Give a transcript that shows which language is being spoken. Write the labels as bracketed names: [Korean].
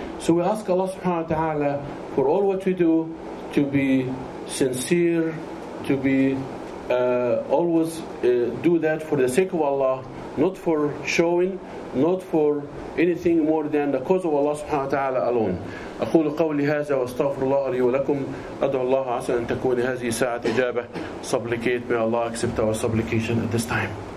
[English] So we ask Allah subhanahu wa ta'ala for all what we do to be sincere, to be always do that for the sake of Allah, not for showing, not for anything more than the cause of Allah subhanahu wa ta'ala alone. [Arabic] أقول قولي هذا واستغفر الله لي ولكم أدعو الله عسى أن تكون هذه ساعة إجابة. [English] Supplicate, may Allah accept our supplication at this time.